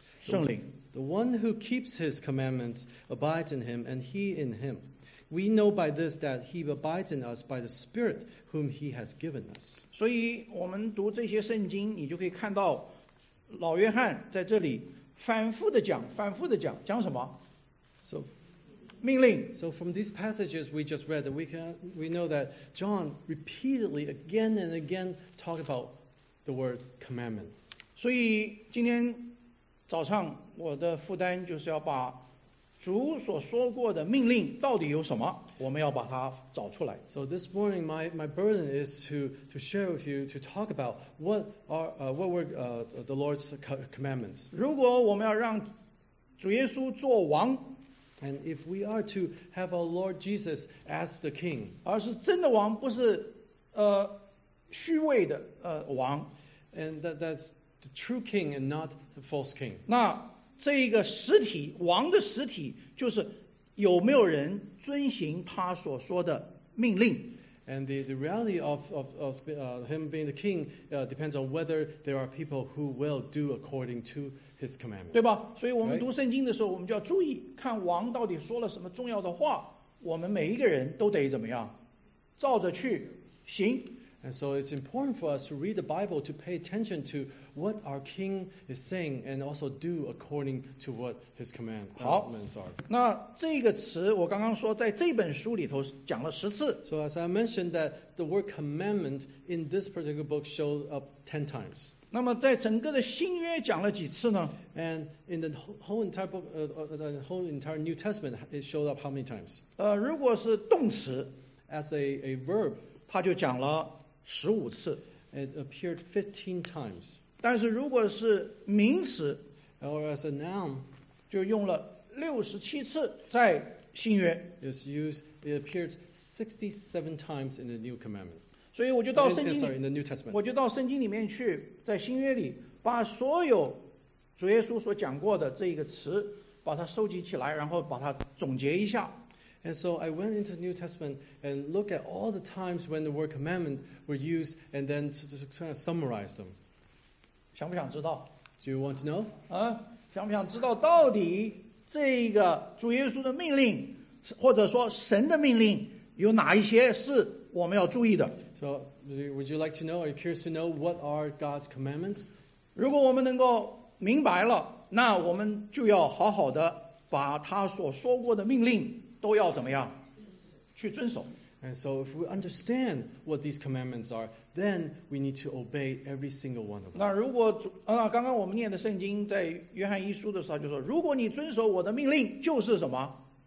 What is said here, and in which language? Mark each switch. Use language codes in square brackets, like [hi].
[en] The one who keeps his commandments abides in him, and he in him. We know by this that he abides in us by the Spirit whom he has given us. [zh] 所以我们读这些圣经，你就可以看到老约翰在这里反复的讲，反复的讲，讲什么？ So, 命令。 [en] So from these passages we just read, we know that John repeatedly again and again talked about the word commandment. [zh] 所以今天。早上我的负担就是要把主所说过的命令到底有什么我们要把它找出来 [en] So this morning my burden is to share with you to talk about what were the Lord's commandments [zh] 如果我们要让主耶稣做王 [en] And if we are to have our Lord Jesus as the king, [zh] 而是真的王，不是虚伪的王。 [en] And that's the true king and not the false king. [zh] 那这一个实体，王的实体，就是有没有人遵行他所说的命令。 [en] And the reality of him being the king depends on whether there are people who will do according to his commandments. [zh] 对吧？所以我们读圣经的时候，我们就要注意看王到底说了什么重要的话。我们每一个人都得怎么样，照着去行。 [en] And so it's important for us to read the Bible to pay attention to what our king is saying and also do according to what his commandments are. [zh] 好，那这个词我刚刚说在这本书里头讲了十次。 [en] So as I mentioned that the word commandment in this particular book showed up 10 times. [zh] 那么在整个的新约讲了几次呢？ [en] And in the whole entire book, the whole entire New Testament, it showed up how many times? [zh] 如果是动词 [en] as a verb, [zh] 他就讲了十五次 [en] ，it appeared 15 times。 [zh] 但是如果是名词 [en] ，or as a noun， [zh] 就用了67次在新约。 [en] It's used. It appeared 67 times in the New Commandment。 [zh] 所以我就到圣经 [en] ，sorry, in the New Testament， [zh] 我就到圣经里面去，在新约里把所有主耶稣所讲过的这一个词，把它收集起来，然后把它总结一下。 [en] And so I went into the New Testament and looked at all the times when the word commandment were used and then to kind of summarize them. [zh] 想不想知道? [en] Do you want to know? [zh] 想不想知道到底这个主耶稣的命令或者说神的命令有哪一些是我们要注意的? [en] So would you like to know? Are you curious to know what are God's commandments? [zh] 如果我们能够明白了,那我们就要好好的把他所说过的命令都要怎么样去遵守。 [en] And so if we understand what these commandments are, then we need to obey every single one of them. [zh] 那如果刚刚我们念的圣经在约翰一书的时候就说，如果你遵守我的命令，就是什么？